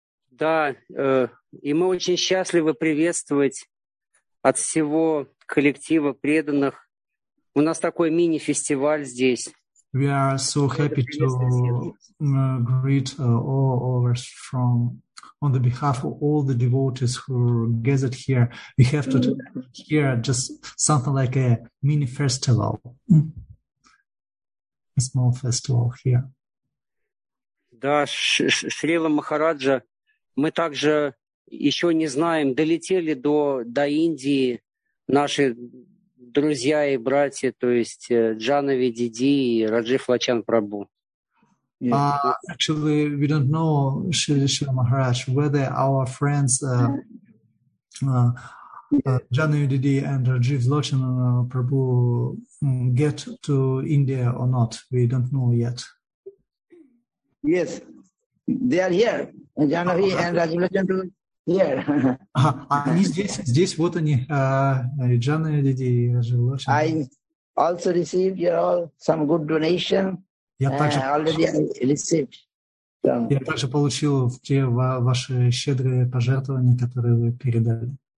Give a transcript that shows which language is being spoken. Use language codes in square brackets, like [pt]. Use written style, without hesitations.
[ru] Да, и мы очень счастливы приветствовать от всего коллектива преданных. У нас такой мини-фестиваль здесь. [en] We are so happy to greet all of us from on the behalf of all the devotees who gathered here. We have to hear just something like a mini festival, a small festival here. [ru] Да, Шрила Махараджа, мы также еще не знаем, долетели до Индии наши друзья и братья, то есть Джанави Диди и Раджив Лачан Прабу. [en] Actually, we don't know, Шри Махарадж, whether our friends Джанави Диди and Раджив Лачан Прабу get to India or not. We don't know yet. Yes, they are here. Джанави and Раджив Лачан Прабу. Yeah. [ru] Они здесь, вот они, Риджана и Диди, и Раджив Лачан. [en] I also received your all some good donation. [ru] Я также получил те ваши щедрые пожертвования, которые вы передали.